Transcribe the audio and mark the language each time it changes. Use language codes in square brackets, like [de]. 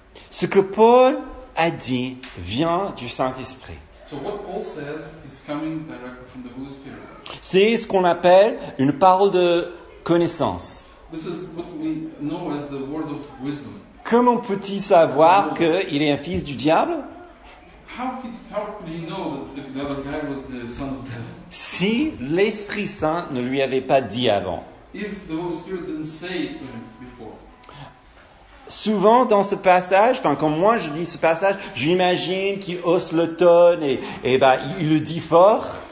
[fr] Ce que Paul a dit vient du Saint-Esprit. [en] So what Paul says is coming directly from the Holy Spirit. [fr] C'est ce qu'on appelle une parole de connaissance. [en] This is what we know as the word of wisdom. [fr] Comment peut-il savoir qu'il est un fils du diable? [en] How could he know that the other guy was the son of the devil? [fr] Si l'Esprit Saint ne lui avait pas dit avant. [en] If the Holy Spirit didn't say it to him before. [fr] Souvent dans ce passage, enfin quand moi je lis ce passage, j'imagine qu'il hausse le ton et ben il le dit fort.